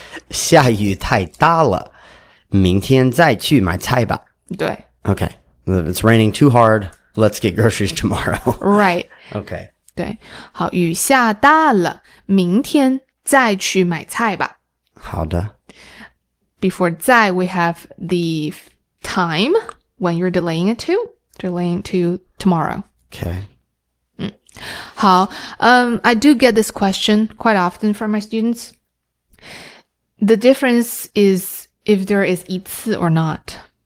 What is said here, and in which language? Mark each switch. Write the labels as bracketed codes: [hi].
[zh] 下雨太大了，明天再去买菜吧。对。 [en] Okay, it's raining too hard, let's get groceries tomorrow. Right. Okay. [zh] 对，好，雨下大了，明天再去买菜吧。好的。 [en] Before 在, we have the time when you're delaying it to. Delaying to tomorrow. Okay. 好, I do get this question quite often from my students. The difference is if there is 一次 or not.